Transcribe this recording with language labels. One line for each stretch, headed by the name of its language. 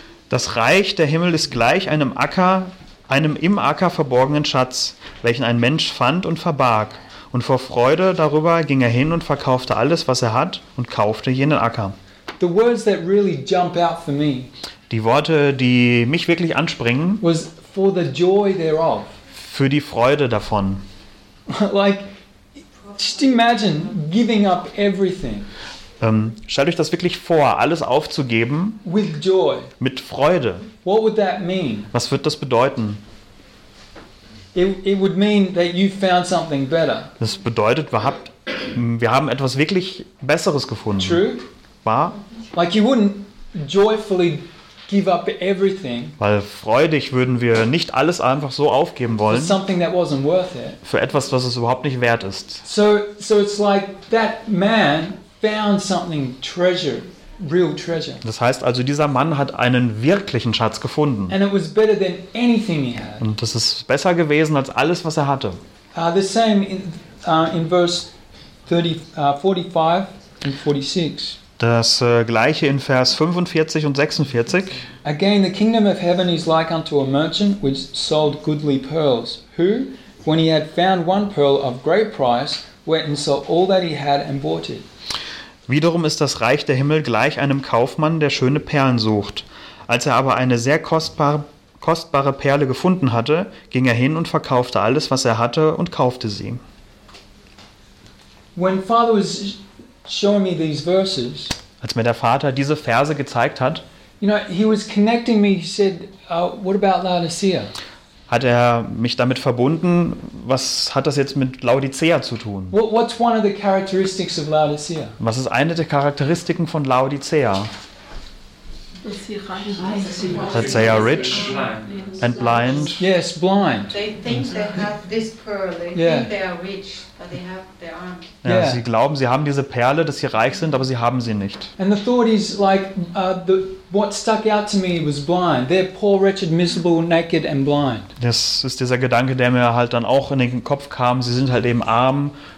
German: Das Reich der Himmel ist gleich einem Acker, einem im Acker verborgenen Schatz, welchen ein Mensch fand und verbarg. Und vor Freude darüber ging er hin und verkaufte alles, was er hat, und kaufte jenen Acker.
English: The words that really jump out for me,
German: die Worte, die mich wirklich anspringen,
English: was for the joy thereof.
German: Für die Freude davon.
English: Like, just imagine giving up everything.
German: Stellt euch das wirklich vor, alles aufzugeben.
English: With joy.
German: Mit Freude.
English: What would that mean?
German: Was wird das bedeuten?
English: It would mean that you found something better.
German: Das bedeutet, wir haben etwas wirklich Besseres gefunden.
English: True.
German: Wahr?
English: Like you wouldn't joyfully give up everything.
German: Weil freudig würden wir nicht alles einfach so aufgeben wollen.
English: For something that wasn't worth it.
German: Für etwas, was es überhaupt nicht wert ist.
English: So it's like that man found something treasure, real treasure.
German: Das heißt also, dieser Mann hat einen wirklichen Schatz gefunden.
English: And it was better than anything he had.
German: Und das ist besser gewesen als alles, was er hatte.
English: The same in verse 45 and 46.
German: Das gleiche in Vers 45 und 46.
English: Again, the kingdom of heaven is like unto a merchant which sold goodly pearls, who, when he had found one pearl of great price, went and sold all that he had and bought it.
German: Wiederum ist das Reich der Himmel gleich einem Kaufmann, der schöne Perlen sucht. Als er aber eine sehr kostbare Perle gefunden hatte, ging er hin und verkaufte alles, was er hatte, und kaufte sie.
English: When Father was showing me these verses,
German: als mir der Vater diese Verse gezeigt hat,
English: you know, he was connecting me, he said, what about Laodicea?
German: Hat er mich damit verbunden? Was hat das jetzt mit Laodicea zu tun?
English: What's one of the characteristics of Laodicea?
German: Was ist eine der Charakteristiken von Laodicea?
English: That they are rich and blind. Yes, blind. They think they have this pearl. They think they are rich, but they have their arms.
German: Ja, sie glauben, sie haben diese Perle, dass sie reich sind, aber sie haben sie nicht.
English: And the thought is like what stuck out to me was blind. They're poor, wretched, miserable, naked and blind.
German: Das ist dieser Gedanke, der mir halt dann auch in den Kopf kam. Sie sind halt eben arm,